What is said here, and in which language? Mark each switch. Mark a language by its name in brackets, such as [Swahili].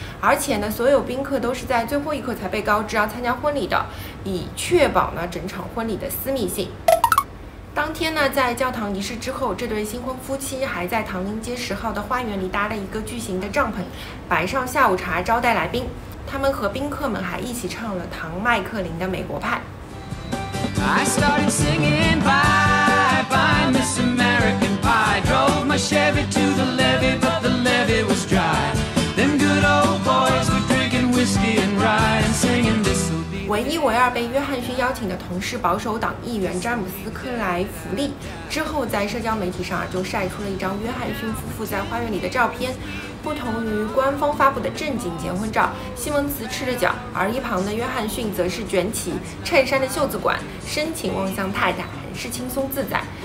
[Chinese] 而且呢，所有宾客都是在最后一刻才被告知要参加婚礼的，以确保呢整场婚礼的私密性。当天呢，在教堂仪式之后，这对新婚夫妻还在唐宁街10号的花园里搭了一个巨型的帐篷，摆上下午茶招待来宾。他们和宾客们还一起唱了唐·麦克林的《美国派》。 [English] I started singing bye bye Miss American Pie. Drove my Chevy to the levee, but the levee was dry. Them good old boys were drinking whiskey and rye and singing this. Will be [Chinese] 唯一唯二被约翰逊邀请的同事保守党议员詹姆斯·克莱弗利，之后在社交媒体上就晒出了一张约翰逊夫妇在花园里的照片。不同于官方发布的正经结婚照，西蒙茨赤着脚，而一旁的约翰逊则是卷起衬衫的袖子管，深情望向太太，很是轻松自在。